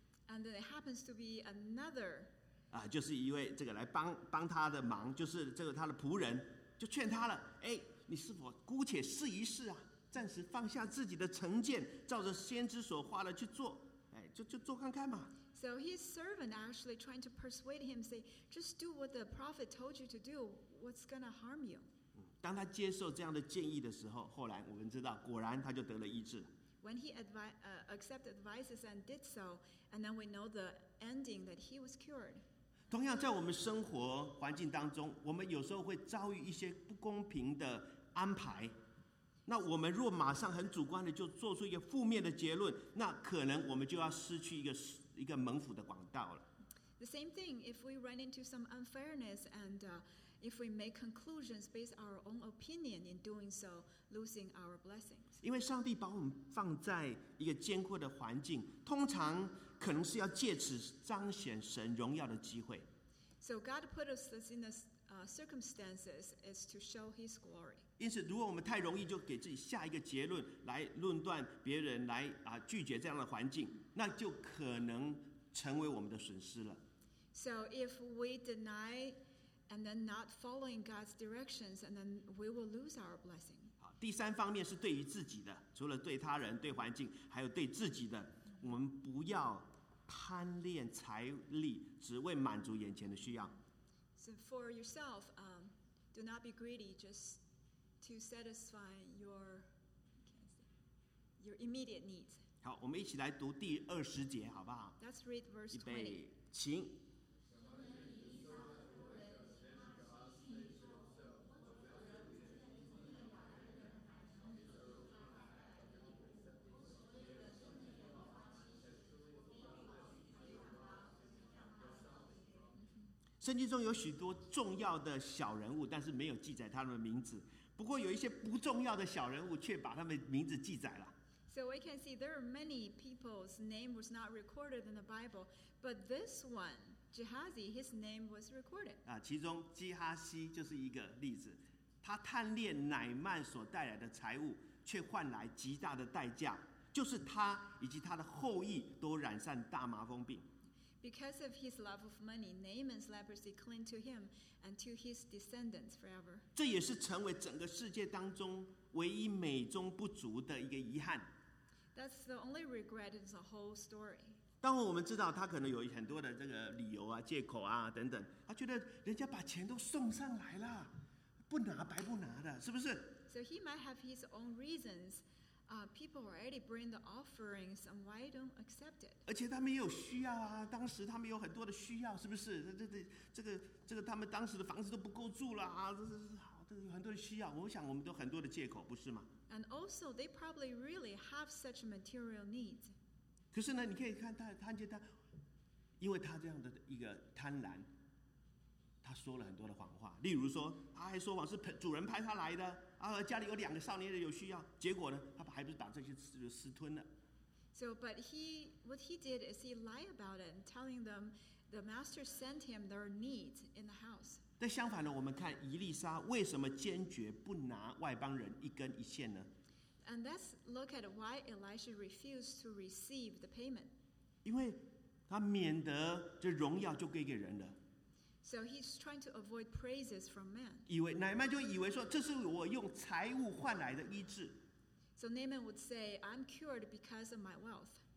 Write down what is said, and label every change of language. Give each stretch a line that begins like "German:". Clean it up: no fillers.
English: And it happens to be another.
Chinese: 啊，就是一位这个来帮他的忙，就是这个他的仆人，就劝他了。哎，你是否姑且试一试啊？暂时放下自己的成见，照着先知所画的去做，哎，就做看看嘛。
English: So his servant actually trying to persuade him, say, just do what the prophet told you to do. What's gonna harm you?
Chinese: 当他接受这样的建议的时候，后来我们知道，果然他就得了医治。
English: When he accepted advices and did so, and then we know the ending that he was cured.
Chinese: 同样，在我们生活环境当中，我们有时候会遭遇一些不公平的安排。那我们若马上很主观的就做出一个负面的结论，那可能我们就要失去一个蒙福的广道了。
English: The same thing, if we run into some unfairness and if we make conclusions based our own opinion in doing so, losing our blessings.
Chinese: 因为上帝把我们放在一个艰苦的环境，通常可能是要借此彰显神荣耀的机会。
English: So God put us in this circumstances is to show His glory.
Chinese: 因此，如果我们太容易就给自己下一个结论来论断别人，来拒绝这样的环境，那就可能成为我们的损失了。
English: So if we deny and then not following God's directions, and then we will lose our blessing.
Chinese: 好，第三方面是对于自己的，除了对他人、对环境，还有对自己的，我们不要贪恋财力，只为满足眼前的需要。
English: So for yourself, do not be greedy, just to satisfy your immediate needs.
Chinese: 好，我们一起来读第二十节，好不好
English: ？Let's read verse 20.
Chinese: 预备，请。圣经中有许多重要的小人物，但是没有记载他们的名字。不过有一些不重要的小人物，却把他们名字记载了。
English: So we can see there are many people's name was not recorded in the Bible, but this one, Gehazi, his name was recorded.
Chinese: 啊，其中基哈西就是一个例子。他贪恋乃曼所带来的财物，却换来极大的代价，就是他以及他的后裔都染上大麻风病。
English: Because of his love of money, Naaman's leprosy cling to him and to his descendants forever.
Chinese: 这也是成为整个世界当中唯一美中不足的一个遗憾。
English: That's the only regret in the whole story.
Chinese: 当我们知道他可能有很多的这个理由啊、借口啊等等，他觉得人家把钱都送上来了，不拿白不拿的，是不是
English: ？So he might have his own reasons. People already bring the offerings, and why don't accept it?
Chinese: 而且他们也有需要啊，当时他们有很多的需要，是不是？这个，他们当时的房子都不够住了啊，这个有很多的需要。我想我们都很多的借口，不是吗
English: ？And also, they probably really have such material needs.
Chinese: 可是呢，你可以看他，因为他这样的一个贪婪，他说了很多的谎话，例如说，他还说谎是主人派他来的。家里有两个少年人有需要，结果呢，他还不是把这些私吞了。
English: So, but what he did is he lied about it, telling them the master sent him their needs in the house.
Chinese: 但相反呢，我们看以利沙为什么坚决不拿外邦人一根一线呢
English: ？And let's look at why Elisha refused to receive the payment.
Chinese: 因为他免得这荣耀就归给人了。
English: So he's trying to avoid praises from men.
Chinese: 以为乃曼就以为说这是我用财物换来的医治。
English: So Naaman would say, I'm cured because of my wealth.